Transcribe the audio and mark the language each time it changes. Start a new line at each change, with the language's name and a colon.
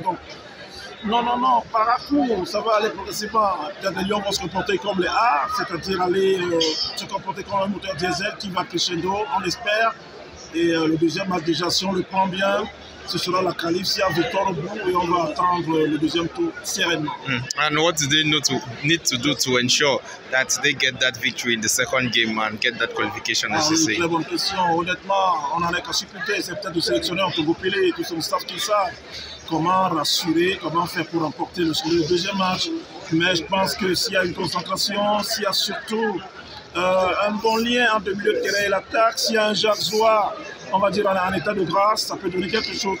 French: Donc, non, par à coup, ça va aller progressivement. Peut-être Lyon va se comporter comme les A, c'est-à-dire aller se comporter comme un moteur diesel qui va crescendo, on espère. Et le deuxième match, déjà, si on le prend bien, ce sera la qualif, s'il y a victoire au bout, et on va attendre le deuxième tour sereinement.
English: And what do they need to do to ensure that they get that victory in the second game and get that qualification, as you say?
French: Très bonne question. Honnêtement, on n'en est qu'à supputer. C'est peut-être de sélectionner entre Goupilé et tout son staff qui savent comment rassurer, comment faire pour remporter le deuxième match. Mais je pense que s'il y a une concentration, s'il y a surtout un bon lien entre le milieu de terrain et l'attaque, s'il y a un Jacques, on va dire en état de grâce, ça peut donner quelque chose.